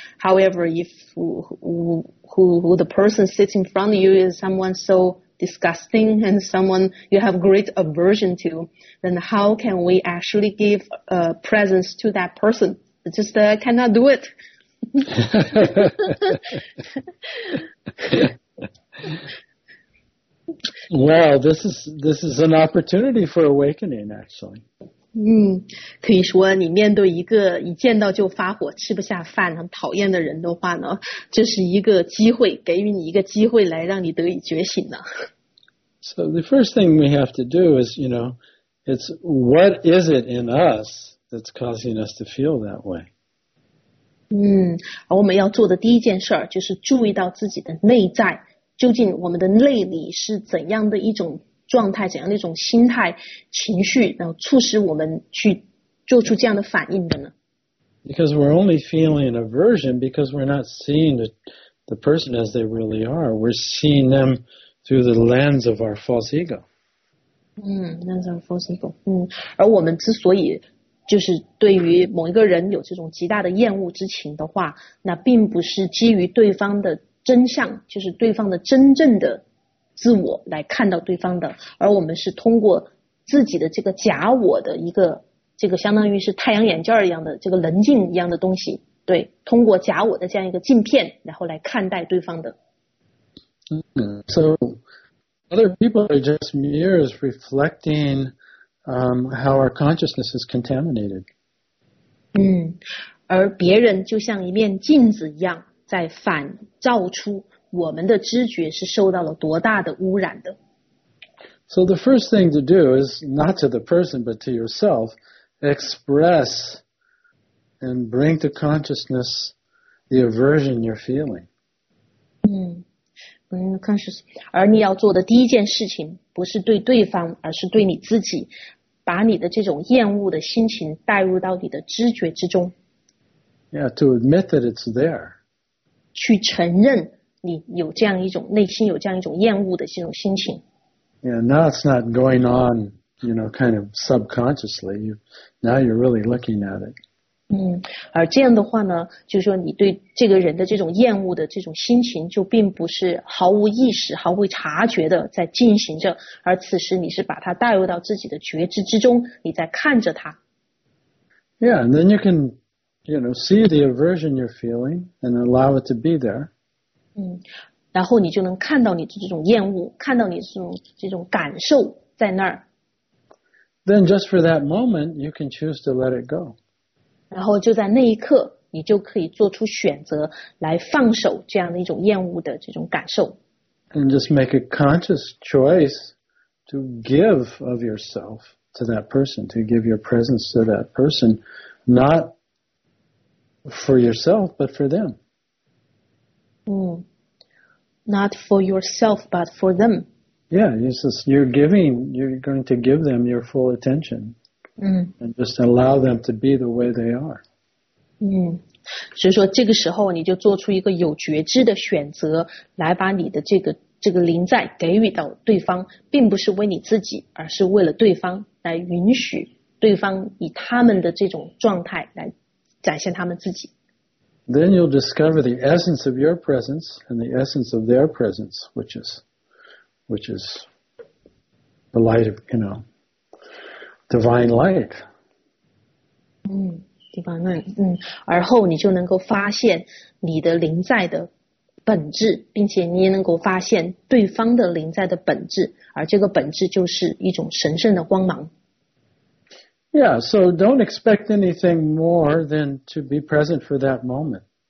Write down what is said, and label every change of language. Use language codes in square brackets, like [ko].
[en] However, if who the person sits in front of you is someone so disgusting and someone you have great aversion to, then how can we actually give a presence to that person? Just cannot do it. Well, this is an opportunity for awakening, actually. [zh] 可以说你面对一个一见到就发火、吃不下饭、很讨厌的人的话呢，这是一个机会，给予你一个机会来让你得以觉醒呢。 [en] So the first thing we have to do is, you know, it's what is it in us? That's causing us to feel that way. [zh] 我们要做的第一件事就是注意到自己的内在，究竟我们的内里是怎样的一种状态，怎样的一种心态、情绪，然后促使我们去做出这样的反应的呢？ [en] Because we're only feeling aversion because we're not seeing the person as they really are. We're seeing them through the lens of our false ego. That's our false ego. [zh] 而我们之所以就是对于某一个人有这种极大的厌恶之情的话，那并不是基于对方的真相，就是对方的真正的自我来看到对方的，而我们是通过自己的这个假我的一个，这个相当于是太阳眼镜一样的，这个棱镜一样的东西，对，通过假我的这样一个镜片，然后来看待对方的。 [en] So, other people are just mirrors reflectingHow our consciousness is contaminated. [zh] 而别人就像一面镜子一样，在反照出我们的知觉是受到了多大的污染的。 [en] So the first thing to do is not to the person, but to yourself, express and bring to consciousness the aversion you're feeling. Conscious. [zh] 而你要做的第一件事情不是对对方，而是对你自己。把你的这种厌恶的心情带入到你的知觉之中。 [en] Yeah, to admit that it's there. [zh] 去承认你有这样一种内心有这样一种厌恶的这种心情。 [en] Yeah, now it's not going on, you know, kind of subconsciously. Now you're really looking at it. [zh] 而这样的话呢，就是说你对这个人的这种厌恶的这种心情就并不是毫无意识毫无察觉的在进行着，而此时你是把它带入到自己的觉知之中，你在看着它。 [en] Yeah, and then you can, you know, see the aversion you're feeling and allow it to be there. [zh] 然后你就能看到你这种厌恶，看到你这种感受在那儿。 [en] Then just for that moment, you can choose to let it go. [zh] 然后就在那一刻，你就可以做出选择来放手这样的一种厌恶的这种感受。 [en] And just make a conscious choice to give of yourself to that person, to give your presence to that person, not for yourself, but for them. Not for yourself, but for them. Yeah, you're going to give them your full attention. And just allow them to be the way they are. [zh] 所以说这个时候你就做出一个有觉知的选择，来把你的这个临在给予到对方，并不是为你自己，而是为了对方，来允许对方以他们的这种状态来展现他们自己。 [en] Then you'll discover the essence of your presence and the essence of their presence, which is the light of, you know, divine light. Divine light. [zh] 而后你就能够发现你的灵在的本质，并且你也能够发现对方的灵在的本质，而这个本质就是一种神圣的光芒。 [en] Yeah, so don't expect anything more than to be present for that moment.